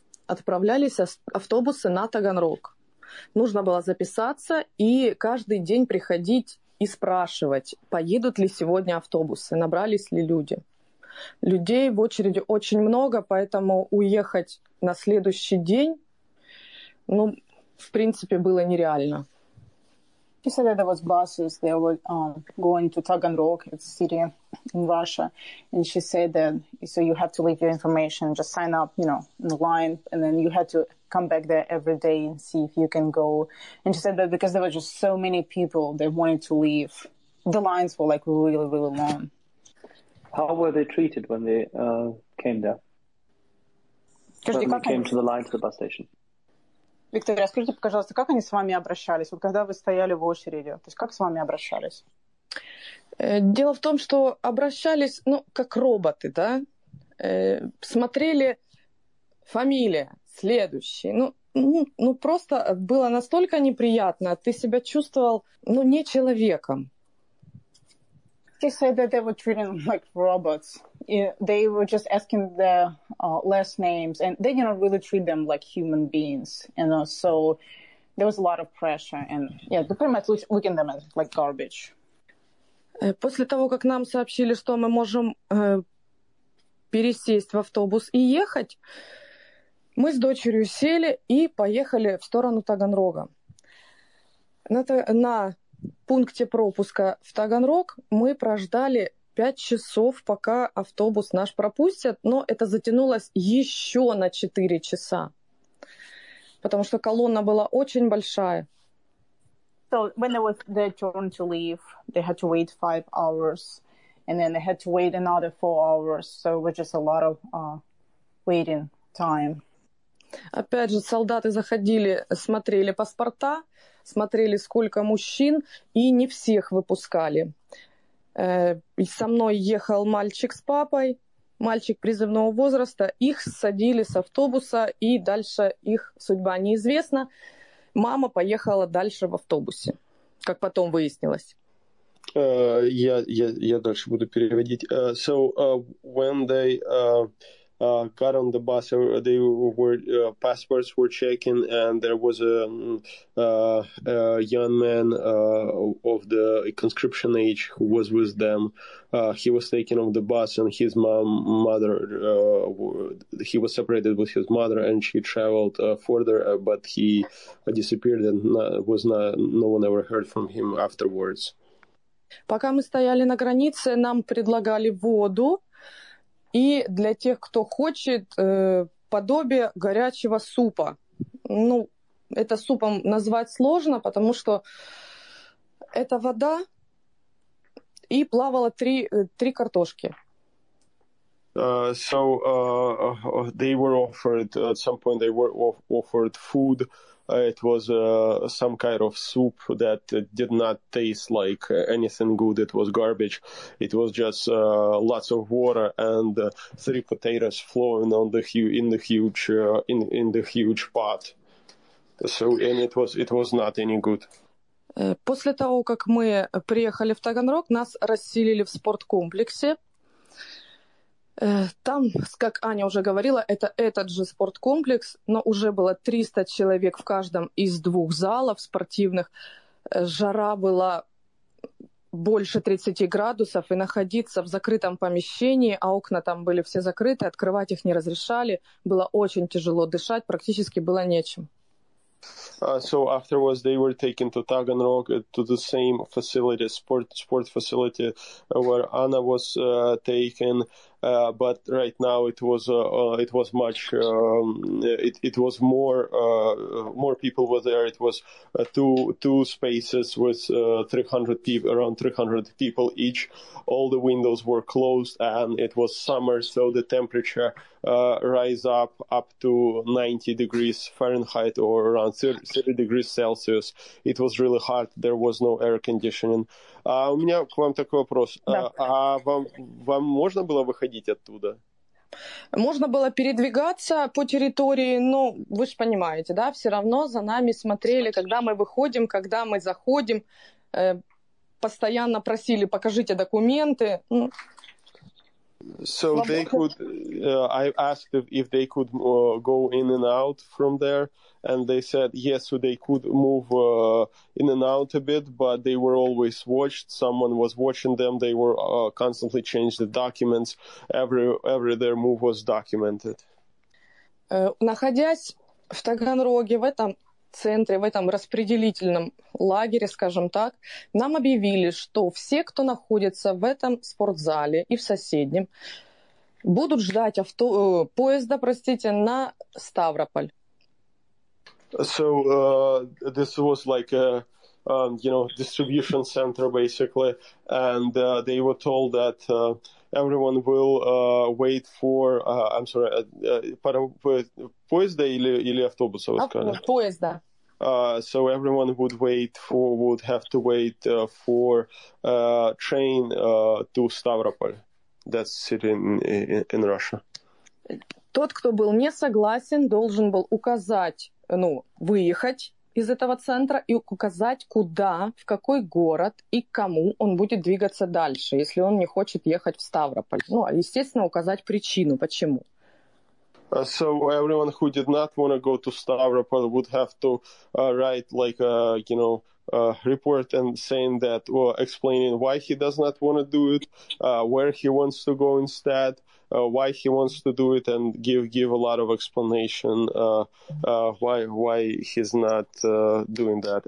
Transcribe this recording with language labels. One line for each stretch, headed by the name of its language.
Russian: Отправлялись автобусы на Таганрог. Нужно было записаться и каждый день приходить и спрашивать, поедут ли сегодня автобусы, набрались ли люди. Людей в очереди очень много, поэтому уехать на следующий день, ну, в принципе, было нереально.
English: She said that there was buses, they were going to Taganrog, it's a city in Russia, and she said that, so you have to leave your information, just sign up, you know, in the line, and then you had to come back there every day and see if you can go. And she said that because there were just so many people, they wanted to leave. The lines were like really, really long. How were they treated when they came there? When they came to the line to the bus station?
Russian: Виктория, скажите, пожалуйста, как они с вами обращались, вот когда вы стояли в очереди? То есть как с вами обращались? Дело в том, что обращались, ну, как роботы, да? Смотрели фамилия, следующий. Ну, просто было настолько неприятно, ты себя чувствовал, ну, не человеком.
English: They said that they were treating them like robots. They were just asking the last names, and they didn't really treat them like human beings. And you know? So there was a lot of pressure, and yeah, they pretty much looking at them as like garbage.
Russian: После того, как нам сообщили, что мы можем пересесть в автобус и ехать, мы с дочерью сели и поехали в сторону Таганрога. На пункте пропуска в Таганрог мы прождали 5 часов, пока автобус наш пропустят, но это затянулось еще на 4 часа, потому что колонна была очень большая.
English: So when it was their turn to leave, they had to wait 5 hours, and then they had to wait another 4 hours. So it was just a lot of waiting time.
Russian: Опять же, солдаты заходили, смотрели паспорта, смотрели, сколько мужчин, и не всех выпускали. Со мной ехал мальчик с папой, мальчик призывного возраста. Их садили с автобуса, и дальше их судьба неизвестна. Мама поехала дальше в автобусе, как потом выяснилось. Я дальше буду переводить.
English: When they got on the bus, they were passports were checking, and there was a young man of the conscription age who was with them. He was taken off the bus, and his mother. He was separated with his mother, and she traveled further. But he disappeared, and no one ever heard from him afterwards.
Russian: Пока мы стояли на границе, нам предлагали воду. И для тех, кто хочет, подобие горячего супа. Ну, это супом назвать сложно, потому что это вода и плавало три картошки.
English: They were offered, at some point they were offered food. It was some kind of soup that did not taste like anything good. It was garbage. It was just lots of water and three potatoes flowing on the huge pot. So and it was not any good.
Russian: После того, как мы приехали в Таганрог, нас расселили в спорткомплексе. Там, как Аня уже говорила, это этот же спорткомплекс, но уже было 300 человек в каждом из двух залов спортивных. Жара была больше 30 градусов, и находиться в закрытом помещении, а окна там были все закрыты, открывать их не разрешали, было очень тяжело дышать, практически было нечем.
English: So afterwards they were taken to Taganrog to the same facility, sport facility, where Anna was taken. But right now it was more people were there. It was two spaces with 300 people, around 300 people each. All the windows were closed, and it was summer, so the temperature rise up to 90 degrees Fahrenheit or around 30 degrees Celsius. It was really hot. There was no air conditioning.
Russian: У меня к вам такой вопрос. Да. Вам можно было выходить оттуда? Можно было передвигаться по территории, но вы же понимаете, да, все равно за нами смотрели, когда мы выходим, когда мы заходим, постоянно просили, покажите документы.
English: So they could, I asked if they could go in and out from there, and they said yes, so they could move in and out a bit, but they were always watched. Someone was watching them. They were constantly changing the documents. Every their move was documented.
Russian: Находясь в Таганроге, в этом центре, в этом распределительном лагере, скажем так, нам объявили, что все, кто находится в этом спортзале и в соседнем, будут ждать поезда, простите, на Ставрополь.
English: So this was like distribution center basically, and they were told that everyone will wait for
Russian: поезда или автобуса, поезда.
English: So everyone would have to wait for train to Stavropol, that's city in Russia.
Russian: Тот, кто был не согласен, должен был указать, ну, выехать из этого центра и указать, куда, в какой город и к кому он будет двигаться дальше, если он не хочет ехать в Ставрополь. Ну, а естественно, указать причину, почему.
English: So everyone who did not want to go to Stavropol would have to write like a, you know, report and saying that, well, explaining why he does not want to do it, where he wants to go instead, why he wants to do it, and give a lot of explanation why he's not doing that.